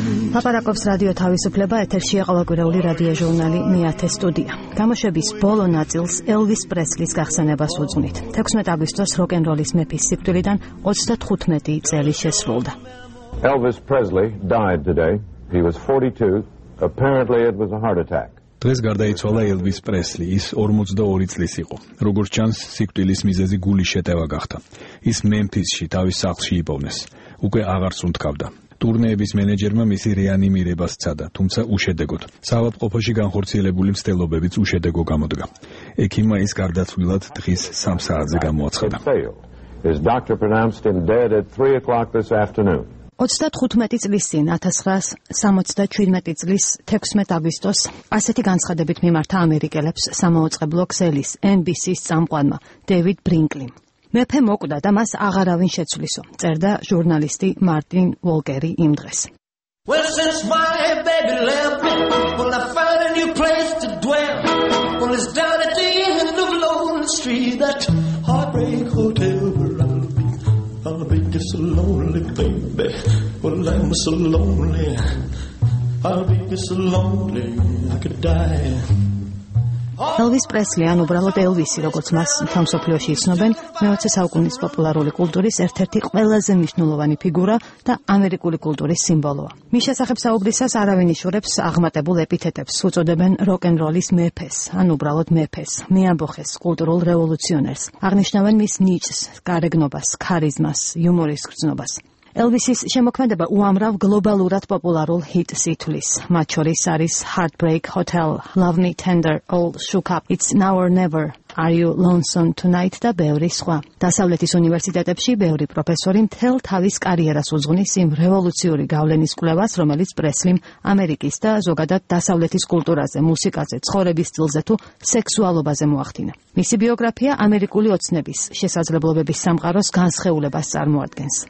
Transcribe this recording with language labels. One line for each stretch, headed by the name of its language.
Georgian: Paparakovs Radio თავისუფლება ეთერში ყოველ გვირაული რადიო ჟურნალი მეათე სტუდია. თამაშების ბოლო ნაწილს Elvis Presley-ის გახსენებას უძღვნით. 16 აგვისტოს როკენროლის მეფის სიკვდილიდან 35 წელი შესრულდა.
English: Elvis Presley died today. He was 42. Apparently it was a heart attack.
Georgian: დღეს გარდაიცვალა Elvis Presley, ის 42 წლის იყო. როგორც ჩანს, სიკვდილის მიზეზი გულის შეტევა გახდა. ის Memphis-ში თავის სახლში იბოვნეს. უკვე აღარ სუნთქავდა. ტურნეების მენეჯერმა მისი რეანიმირება სცადა, თუმცა უშედეგოდ. საავადმყოფოში განხორციელებული მცდელობებიც უშედეგო გამოდგა. ექიმმა ის გარდაცვლილად დღის 3 საათზე გამოაცხადა.
English: His doctor pronounced him dead at 3 o'clock this afternoon.
Georgian: 35 წლის წინ 1967 წლის 16 აგვისტოს ასეთი განცხადებით მიმართა ამერიკელებს სამაოცრებლო ქსელის NBC-ის წამყვანმა დევიდ ბრინკლი. მეფე მოკვდა და მას აღარავინ შეცვლისო, წერდა ჟურნალისტი მარტინ ვოლკერი იმ დღეს.
English: Well, since my baby left me, well, I found a new place to dwell. Well, it's down at the end of Lonely Street, that heartbreak hotel where I'll be. I'll be so lonely, baby. Well, I'm so lonely. I'll be so lonely, I could die.
Georgian: Elvis Presley, ანუ უბრალოდ Elvis-ი, როგორც მას თავისუფლოში იცნობენ, მეოცე საუკუნის პოპულარული კულტურის ერთ-ერთი ყველაზე მნიშვნელოვანი ფიგურა და ამერიკული კულტურის სიმბოლოა. მის შესახებ საუბრისას არავინ იშურებს აღმატებულ ეპითეტებს, უწოდებენ როკენროლის მეფეს, ანუ უბრალოდ მეფეს, მეამბოხეს, კულტურულ რევოლუციონერს. აღნიშნავენ მის ნიჭს, გარეგნობას, ქარიზმას, იუმორის გრძნობას. Elvis-ის შემოქმედება უამრავ გლობალურად პოპულარულ ჰიტს ითვლის. მათ შორის არის Heartbreak Hotel, Love Me Tender, All Shook Up, It's Now or Never, Are You Lonesome Tonight და ბევრი სხვა. დასავლეთის უნივერსიტეტებში ბევრი პროფესორი მთელ თავის კარიერას უძღვნის იმ რევოლუციური გავლენის კვლევას, რომელიც პრესლიმ ამერიკის და ზოგადად დასავლეთის კულტურაზე, მუსიკაზე, ცხოვრების სტილზე თუ სექსუალობაზე მოახდინა. მისი ბიოგრაფია ამერიკული ოცნების, შესაძლებლობების სამყაროს განსხეულებას წარმოადგენს.